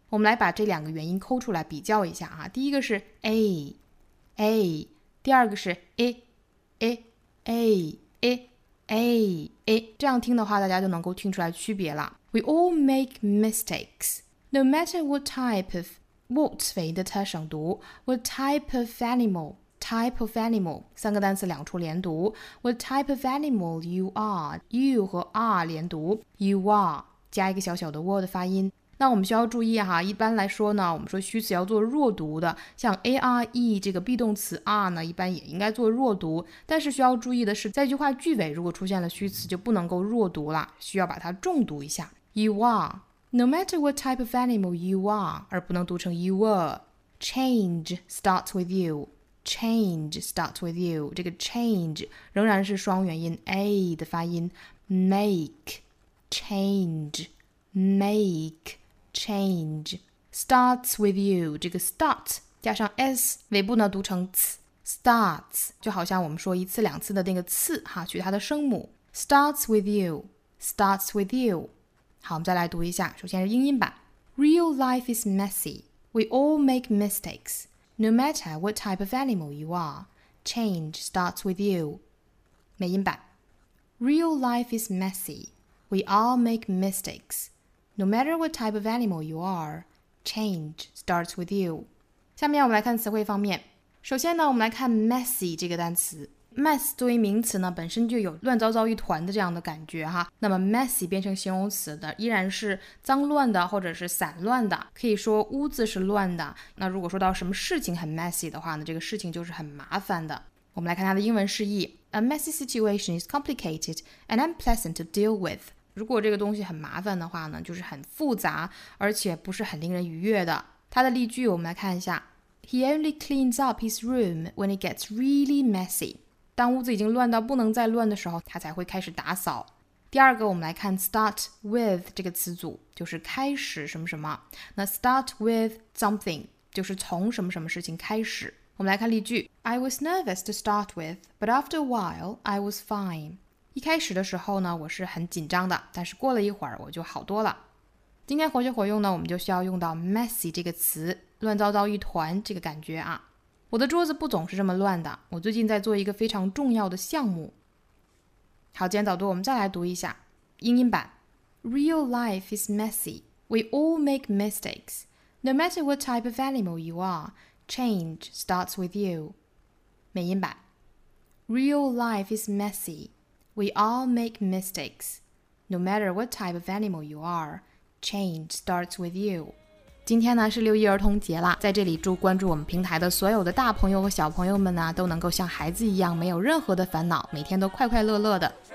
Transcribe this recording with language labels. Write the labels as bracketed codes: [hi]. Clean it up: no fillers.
[zh] 我们来把这两个元音抠出来比较一下啊，第一个是 a a， 第二个是 a a a a a a， 这样听的话大家就能够听出来区别了。 [en] We all make mistakesNo matter what type of what [zh] 尾音的 t 省读 ， [en] what type of animal [zh] type of animal 三个单词两处连读 ， [en] what type of animal you are you [zh] 和 are 连读 ， [en] you are [zh] 加一个小小的 word 发音。那我们需要注意哈，一般来说呢，我们说虚词要做弱读的，像 are 这个 be 动词 are 呢，一般也应该做弱读。但是需要注意的是，在一句话句尾如果出现了虚词，就不能够弱读了，需要把它重读一下 ， [en] you are。 No matter what type of animal you are, [zh] 而不能读成 [en] you are, change starts with you, change starts with you. [zh] 这个 change 仍然是双元音 a 的发音 [en] make, change, make, change. Starts with you, [zh] 这个 start 加上 s, 尾部呢读成 ts, starts, 就好像我们说一次两次的那个次哈，取它的声母 [en] starts with you, starts with you. [zh] 好，我们再来读一下，首先是英音版。 [en] Real life is messy. We all make mistakes. No matter what type of animal you are, change starts with you. [zh] 美音版。 [en] Real life is messy. We all make mistakes. No matter what type of animal you are, change starts with you. [zh] 下面我们来看词汇方面。首先呢，我们来看 messy 这个单词。 mess 作为名词呢，本身就有乱糟糟一团的这样的感觉哈。那么 messy 变成形容词的依然是脏乱的或者是散乱的，可以说屋子是乱的。那如果说到什么事情很 messy 的话呢，这个事情就是很麻烦的。我们来看它的英文释义。 [en] A messy situation is complicated and unpleasant to deal with. [zh] 如果这个东西很麻烦的话呢，就是很复杂而且不是很令人愉悦的。它的例句我们来看一下。 [en] He only cleans up his room when it gets really messy. [zh] 当屋子已经乱到不能再乱的时候，他才会开始打扫。第二个我们来看 start with 这个词组，就是开始什么什么。那 start with something 就是从什么什么事情开始。我们来看例句。 [en] I was nervous to start with, but after a while, I was fine. [zh] 一开始的时候呢，我是很紧张的，但是过了一会儿我就好多了。今天活学活用呢，我们就需要用到 messy 这个词，乱糟糟一团这个感觉啊。我的桌子不总是这么乱的，我最近在做一个非常重要的项目。好，今天早读我们再来读一下英音版。 [en] Real life is messy. We all make mistakes. No matter what type of animal you are, change starts with you. [zh] 美音版。 [en] Real life is messy. We all make mistakes. No matter what type of animal you are, change starts with you. [zh] 今天呢是六一儿童节啦，在这里祝关注我们平台的所有的大朋友和小朋友们呢，都能够像孩子一样没有任何的烦恼，每天都快快乐乐的。